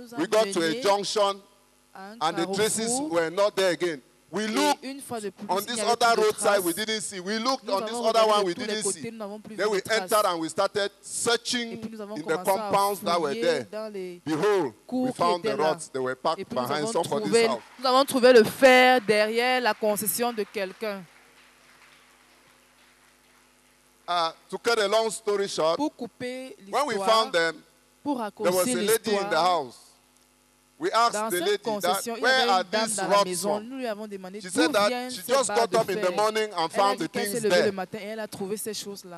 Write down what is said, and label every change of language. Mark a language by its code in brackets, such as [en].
[en] We got to a junction and the traces were not there again. We looked on this other roadside, we didn't see. We looked on this other one, we didn't see. Then we entered and we started searching in the compounds that were there. Behold, we found the rods. They were packed behind somebody's house. [fr] Nous avons trouvé le fer derrière la concession de quelqu'un. [en] To cut a long story short, when we found them, there was a lady in the house. We asked the lady, where are these rocks from? She said that she just got up in the morning and found the things there.